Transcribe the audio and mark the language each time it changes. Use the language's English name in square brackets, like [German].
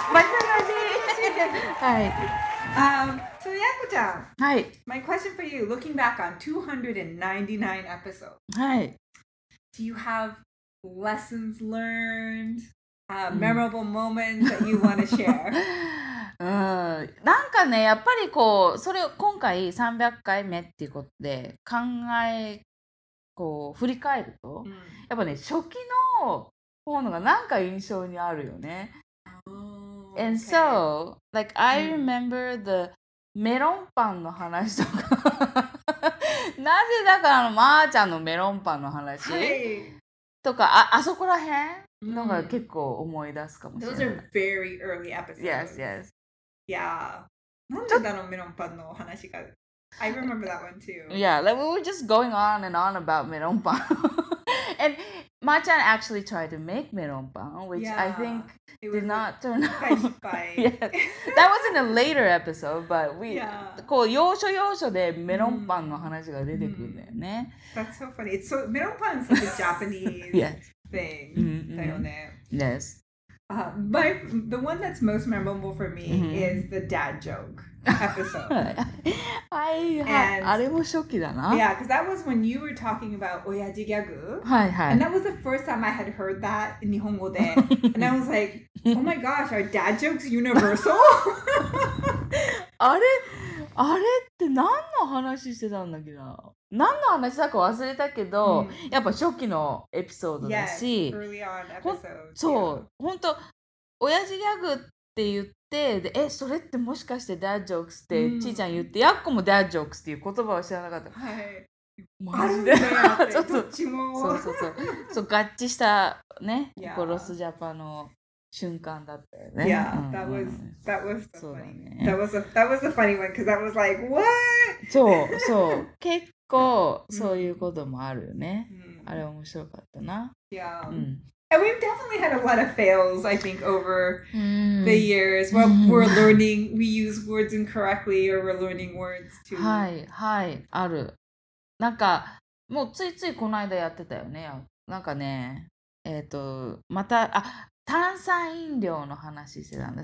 [Japanese] バチバチ。はい。 [English] So Yaku-chan. [Japanese] はい。 [English] My question for you, looking back on 299 episodes. [Japanese] はい。 [English] Do you have lessons learned, memorable moments that you want to share? [Japanese] なんかね、やっぱりこう、それ今回300回目っていうことで考え、こう振り返ると、やっぱね、初期の方のがなんか印象にあるよね。 [English] Oh, and so, like, I remember the [Japanese] メロンパンの話とか。なぜだからあのまーちゃんのメロンパンの話、はい、とか あそこら辺のが結構思い出すかもしれない。 [English] Those are very early episodes. Yes, yes. [Japanese] いやなんでだのメロンパンの話が。 [English] I remember that one too. Yeah, like we were just going on and on about メロンパン。 And まーちゃん actually tried to make メロンパン, which yeah, I think did not turn out. Yeah. That was in a later episode, but we, yeah. [Japanese] こう要所要所でメロンパンの話が出てくるんだよね。 [English] That's so funny. It's so, メロンパンは like a Japanese thing, [Japanese] だよね。 [English] Yes. The one that's most memorable for me is the dad joke episode. [Japanese] あれも初期だな。 [English] Yeah, because that was when you were talking about 親父ギャグ。 [Japanese] はいはい。 [English] And that was the first time I had heard that in [Japanese] 日本語で。 [English] And I was like, oh my gosh, are dad jokes universal? [Japanese] あれ、あれって何の話してたんだけど。何の話だか忘れたけど、うん、やっぱ初期のエピソードだし、 [English] yes, early on episode. [Japanese] そう、本当、親父ギャグって言って、で、え、それってもしかして dad jokes って、うん、ちーちゃん言って、やっこも dad jokes っていう言葉を知らなかった。はい。マジで。ちょっと、どっちも。そうそうそう。そう、合致したね、ここロスジャパの。瞬間だったよね。 [English] Yeah, that was the funny. That was the funny one because that was like, what? [Japanese] そうそう結構そういうこともあるよね。あれ面白かったな。 [English] Yeah. And we've definitely had a lot of fails, I think, over the years. Well, we're learning. We use words incorrectly, or we're learning words too. [Japanese] はいはいある。なんかもうついついこの間やってたよね。なんかね、またあ。炭酸飲料の話してたんだ。